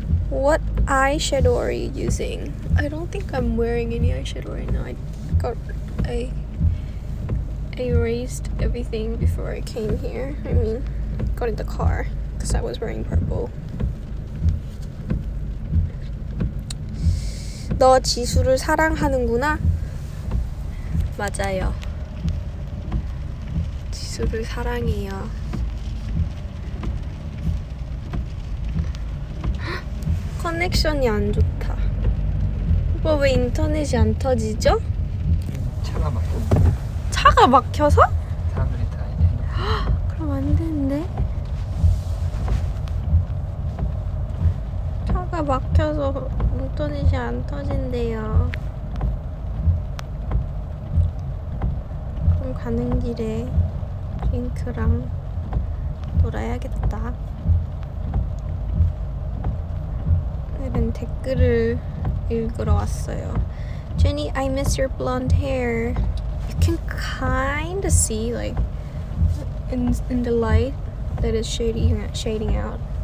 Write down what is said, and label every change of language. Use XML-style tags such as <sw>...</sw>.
<en>What eyeshadow are you using? I don't think I'm wearing any eyeshadow right now. I erased everything before I came here. I mean, got in the car because I was wearing purple.</en> <ko>너 지수를 사랑하는구나? 맞아요. 지수를 사랑해요. 커넥션이 안 좋다. 오빠 왜 인터넷이 안 터지죠? 차가 막혀. 차가 막혀서? 사람들이 다 이제. 그럼 안 되는데. 차가 막혀서 인터넷이 안 터진대요. 그럼 가는 길에 링크랑 놀아야겠다. 이런 댓글을 읽으러 왔어요.</ko> <en>Jennie, I miss your blonde hair. You can kind of see, like, in the light that it's shading out.</en>